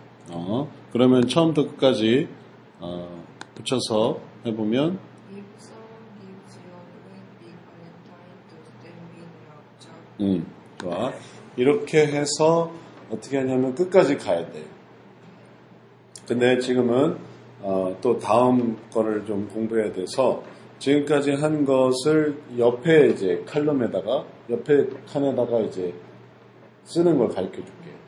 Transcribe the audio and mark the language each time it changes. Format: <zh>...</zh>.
<ko>어, 그러면 처음부터 끝까지 붙여서 해보면</ko> <en>If someone gives you a great big Valentine, does that mean love, Chuck?</en> <ko>좋아. 이렇게 해서 어떻게 하냐면 끝까지 가야 돼. 근데 지금은 또 다음 거를 좀 공부해야 돼서 지금까지 한 것을 옆에 이제 칼럼에다가, 옆에 칸에다가 이제 쓰는 걸 가르쳐 줄게.</ko>